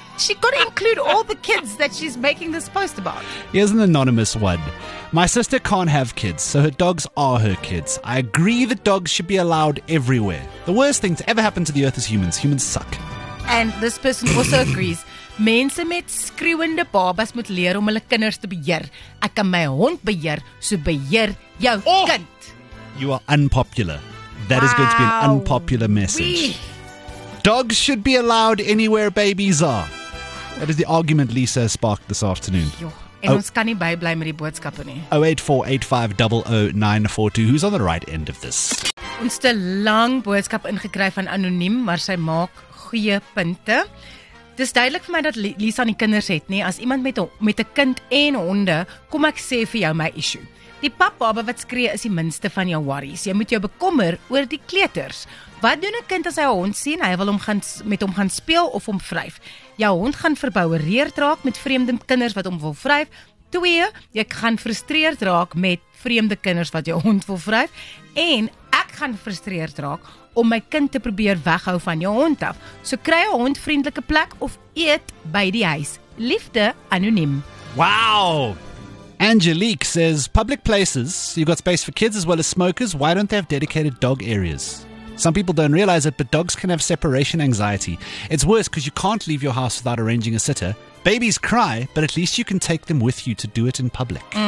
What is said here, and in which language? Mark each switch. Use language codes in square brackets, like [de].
[en] She got to include all the kids that she's making this post about. Here's an anonymous one. My sister can't have kids, so her dogs are her kids. I agree that dogs should be allowed everywhere. The worst thing to ever happen to the earth is humans. Humans suck. And this person also agrees. [af] Mense met skreeuwende babas moet leer om hulle kinders te beheer. Ek kan my hond beheer, so beheer jou kind. [en] You are unpopular. That is going to be an unpopular message. Dogs should be allowed anywhere babies are. That is the argument Lisa sparked this afternoon. [af] En ons kan nie bybly met die boodskappe nie. 0848500942. [en] Who's on the right end of this? [af] Ons het 'n lang boodskap ingekry van anoniem, maar sy maak goeie punte. Dis duidelik vir my dat Lisa nie kinders het nie. As iemand met 'n kind en honde, kom ek sê vir jou my issue. Die papbaba wat skree is die minste van jou worries. Jy moet jou bekommer oor die kleuters. Wat doen 'n kind as hy 'n hond sien? Hy wil met hom gaan speel of hom wryf. Jou hond gaan verboureerd raak met vreemde kinders wat hom wil wryf. Twee, jy gaan frustreerd raak met vreemde kinders wat jou hond wil wryf. En ek gaan frustreerd raak om my kind te probeer weghou van jou hond af. So kry 'n hond vriendelike plek of eet by die huis. Liefde, anoniem. [en] Wow! Angelique says, public places, you've got space for kids as well as smokers, why don't they have dedicated dog areas? Some people don't realize it, but dogs can have separation anxiety. It's worse because you can't leave your house without arranging a sitter. Babies cry, but at least you can take them with you to do it in public.